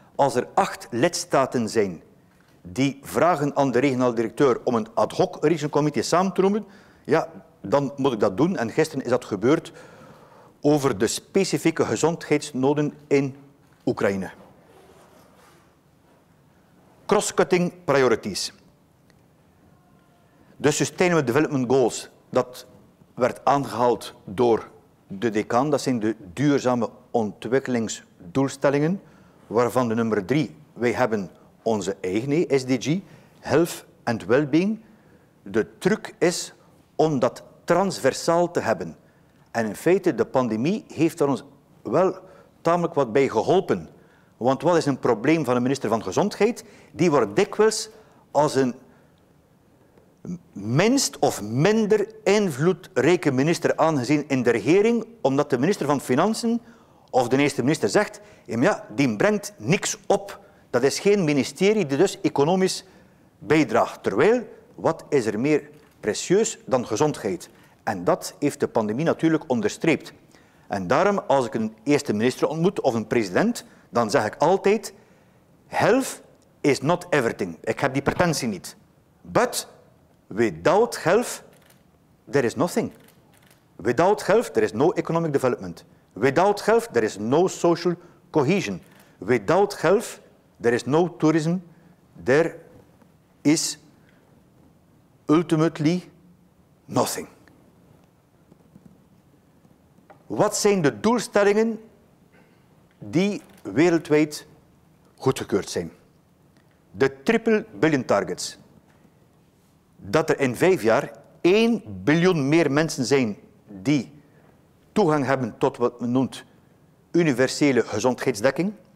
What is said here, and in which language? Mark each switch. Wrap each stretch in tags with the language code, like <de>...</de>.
<nl>Als er 8 lidstaten zijn die vragen aan de regionale directeur om een ad hoc Regional Committee samen te roepen, ja, dan moet ik dat doen. En gisteren is dat gebeurd over de specifieke gezondheidsnoden in Oekraïne.</nl> <en>Cross-cutting priorities.</en> <nl>De Sustainable Development Goals, dat werd aangehaald door de decaan. Dat zijn de duurzame ontwikkelingsdoelstellingen, waarvan de nummer 3, wij hebben onze eigen SDG, Health and Wellbeing. De truc is om dat transversaal te hebben. En in feite, de pandemie heeft er ons wel tamelijk wat bij geholpen. Want wat is een probleem van de minister van Gezondheid? Die wordt dikwijls als een minst of minder invloedrijke minister aangezien in de regering, omdat de minister van Financiën of de eerste minister zegt, ja, die brengt niks op. Dat is geen ministerie die dus economisch bijdraagt. Terwijl, wat is er meer precieus dan gezondheid? En dat heeft de pandemie natuurlijk onderstreept. En daarom, als ik een eerste minister ontmoet of een president, dan zeg ik altijd,</nl> <en>health is not everything.</en> <nl>Ik heb die pretentie niet.</nl> <en>But without health, there is nothing. Without health, there is no economic development. Without health, there is no social cohesion. Without health, there is no tourism. There is ultimately nothing.</en> <nl>Wat zijn de doelstellingen die wereldwijd goedgekeurd zijn? De triple billion targets. Dat er in 5 jaar 1 biljoen meer mensen zijn die toegang hebben tot wat men noemt universele gezondheidsdekking.</nl>